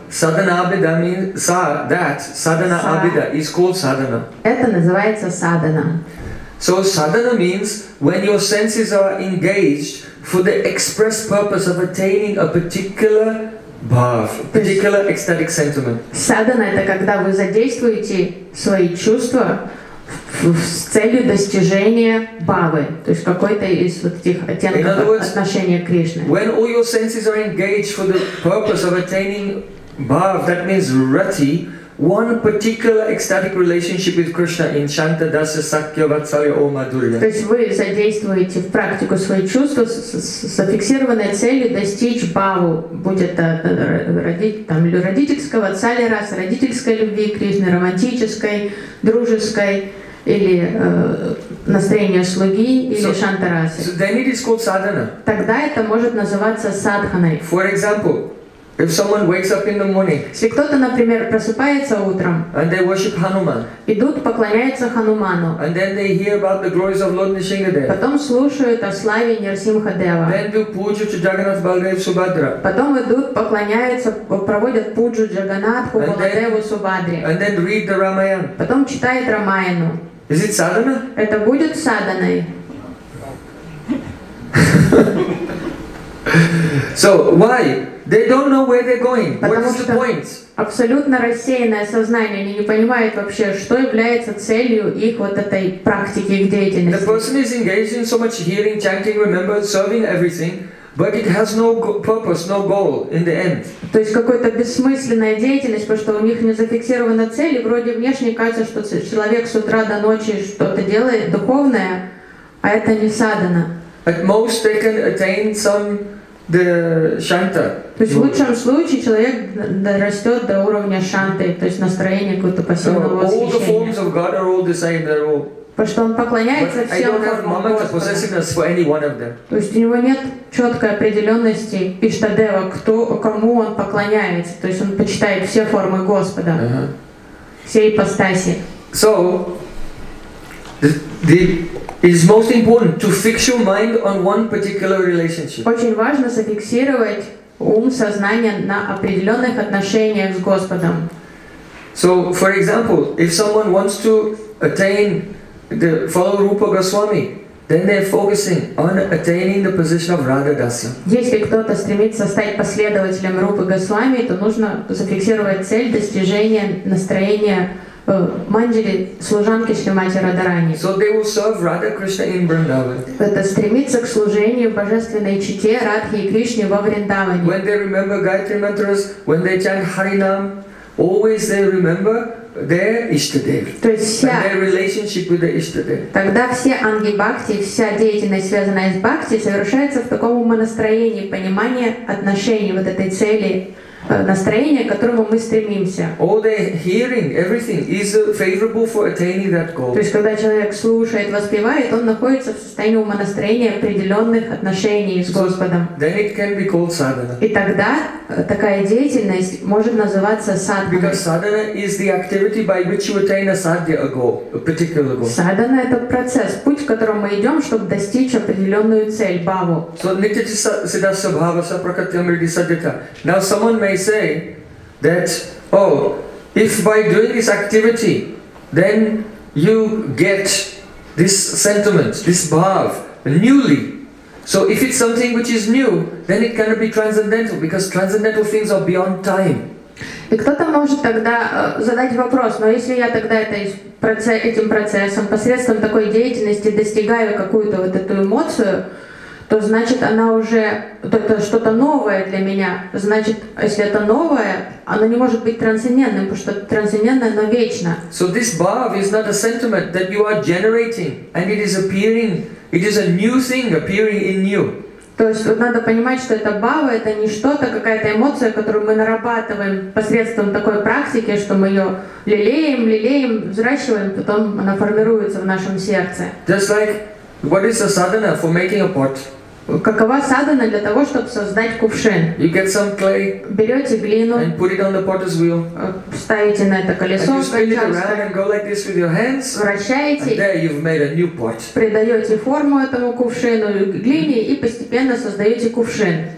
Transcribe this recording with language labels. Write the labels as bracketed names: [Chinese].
[English] Sadhana abhida means that sadhana abhida is called sadhana. [Russian] Это называется sadhana. [English] So sadhana means when your senses are engaged for the express purpose of attaining a particular bhav, particular ecstatic sentiment. Sadhana — это когда вы задействуете свои чувства с целью достижения бхавы, то есть какой-то из вот этих оттенков отношения к Кришне. When all your senses are engaged for the purpose of attaining bhav, that means rati. One particular ecstatic relationship with Krishna in Shanta Dasa Sakya Vatsalya O Madhurya. [Russian] То есть вы задействуете в практику свои чувства с фиксированной целью достичь бхаву, будь это родительского Vatsalya Rasa, родительской любви Кришны, романтической, дружеской или настроение слуги или Shanta Rasa. [English] So then it is called sadhana. [Russian] Тогда это может называться садханой. [English] For example, if someone wakes up in the morning, [Russian] если кто-то, например, просыпается утром, [English] and they worship Hanuman, [Russian] идут поклоняются Хануману, [English] and then they hear about the glories of Lord Nrisimhadeva, [Russian] потом слушают о славе Нарсимхадева, [English] then do puja to Jagannath Baladev Subhadra, [Russian] потом идут поклоняются, проводят пуджу Джаганатху Баладеву Субхадре, [English] and then read the Ramayana, [Russian] потом читают Рамаяну. [English] Is it sadhana? [Russian] Это будет садханой. [English] So why? They don't know where they're going. What's the point? [Russian] Абсолютно рассеянное сознание, они не понимают вообще, что является целью их вот этой практики, их деятельности. [English] The person is engaged in so much hearing, chanting, remembering, serving everything, but it has no purpose, no goal in the end. [Russian] То есть какая-то бессмысленная деятельность, потому что у них не зафиксирована цель, и вроде внешне кажется, что человек с утра до ночи что-то делает духовное, а это не садхана. [English] At most, they can attain some the shanta. [Russian] То есть в лучшем случае человек растет до уровня шанты, то есть настроение какого-то пассивного восхищения. [English] All the forms of God are all the same. They're all. [Russian] Потому что он поклоняется [English] but [Russian] всем. [English] I don't have mamata possessiveness for any one of them. [Russian] То есть у него нет четкой определенности Иштадева, кому он поклоняется. То есть он почитает все формы Господа, все ипостаси. [English] So it is most important to fix your mind on one particular relationship. [Russian] Очень важно зафиксировать ум, сознание на определенных отношениях с Господом. [English] So, for example, if someone wants to attain the follow Rupa Goswami, then they're focusing on attaining the position of Radha Dasya. [Russian] Если кто-то стремится стать последователем Рупы Госвами, то нужно зафиксировать цель достижения настроения Манджари, служанки Шримати Радарани. [English] So they will serve Radha Krishna in Vrindavan. [Russian] Это стремиться к служению Божественной Чите Радхи и Кришне во Вриндаване. [English] When they remember Gayatri mantras, when they chant Harinam, always they remember their Ishtadeva. And their relationship with the Ishtadeva. [Russian] Тогда все анги бхакти, вся деятельность, связанная с бхакти, совершается в таком умонастроении, понимании отношений, вот этой цели, настроение, к которому мы стремимся. [English] All the hearing, everything is favorable for attaining that goal. [Russian] То есть, когда человек слушает, воспевает, он находится в состоянии умонастроения определенных отношений с Господом. [English] Then it can be called sadhana. [Russian] И тогда такая деятельность может называться садханой. [English] Because sadhana is the activity by which you attain a sadhya goal, a particular goal. [Russian] Садхана — это процесс, путь, к которому мы идем, чтобы достичь определенную цель, бхаву. [Sanskrit] So nityati siddhasya bhavasa prakatyam riddhi sadhyata. [English] Now someone may say that, oh, if by doing this activity, then you get this sentiment, this bhav, newly. So if it's something which is new, then it cannot be transcendental, because transcendental things are beyond time. [Russian] И кто-то может тогда задать вопрос, но если я тогда этим процессом, посредством такой деятельности достигаю какую-то вот эту эмоцию, то значит она уже, это что-то новое для меня, значит, если это новое, оно не может быть трансцендентным, потому что трансцендентное, но вечно. [English] So this bhav is not a sentiment that you are generating, and it is appearing, it is a new thing appearing in you. [Russian] То есть вот надо понимать, что это бхава, это не что-то, какая-то эмоция, которую мы нарабатываем посредством такой практики, что мы ее лелеем, взращиваем, потом она формируется в нашем сердце. [English] Just like what is a sadhana for making a pot? [Russian] Какова садхана для того, чтобы создать кувшин? [English] You get some clay, [Russian] берете глину, [English] and put it on the potter's wheel, [Russian] ставите на это колесо, вращаете, придаете форму этому кувшину, глине, и постепенно создаете кувшин.